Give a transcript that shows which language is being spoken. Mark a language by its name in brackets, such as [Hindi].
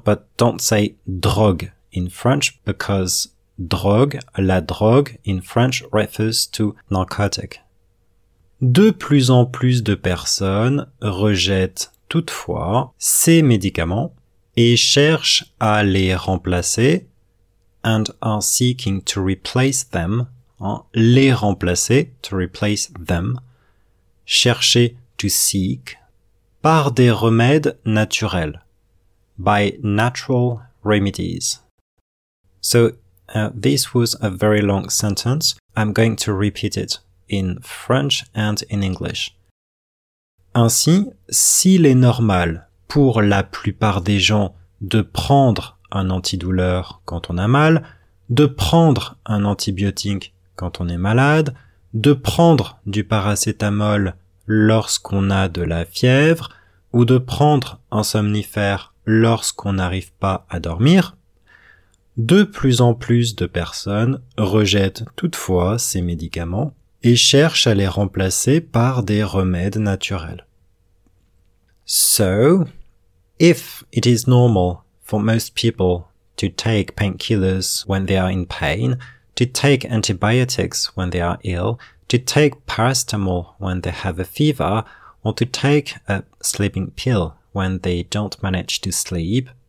[English] But don't say drogue in French because drogue, la drogue in French refers to narcotic. [French] De plus en plus de personnes rejettent toutefois ces médicaments et cherchent à les remplacer [English] and are seeking to replace them, [French] les remplacer, [English] to replace them, [French] chercher, [English] to seek, [French] par des remèdes naturels, [English] by natural remedies. So, this was a very long sentence. I'm going to repeat it in French and in English. [French] Ainsi, s'il est normal pour la plupart des gens de prendre un antidouleur quand on a mal, de prendre un antibiotique quand on est malade, de prendre du paracétamol lorsqu'on a de la fièvre, ou de prendre un somnifère lorsqu'on n'arrive pas à dormir, de plus en plus de personnes rejettent toutefois ces médicaments et cherchent à les remplacer par des remèdes naturels. [English] So, if it is normal for most people to take painkillers when they are in pain, to take antibiotics when they are ill, to take paracetamol when they have a fever, or to take a sleeping pill when they don't manage to sleep.